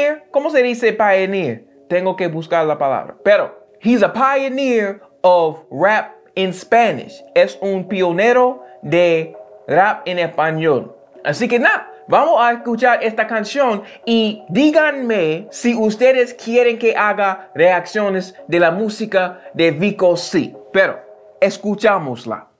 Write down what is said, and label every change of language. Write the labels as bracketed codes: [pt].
[es] ¿Cómo se dice pioneer? Tengo que buscar la palabra. [en] Pero he's a pioneer of rap in Spanish. [es] Es un pionero de rap en español. Así que nada, vamos a escuchar esta canción y díganme si ustedes quieren que haga reacciones de la música de Vico C. Pero escuchámosla.